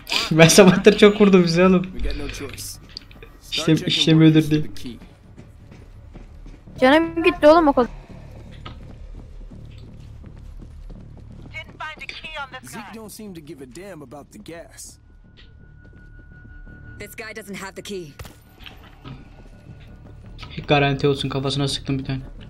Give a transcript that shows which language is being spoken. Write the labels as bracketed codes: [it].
[tr] Ben sabahtır çok kurdum bizi oğlum. İşte işlemiyordur diye. Canım gitti oğlum o kadar. [en] Zeke don't seem to give a damn about the gas. This guy doesn't have the key. [tr] Garanti olsun kafasına sıktım bir tane.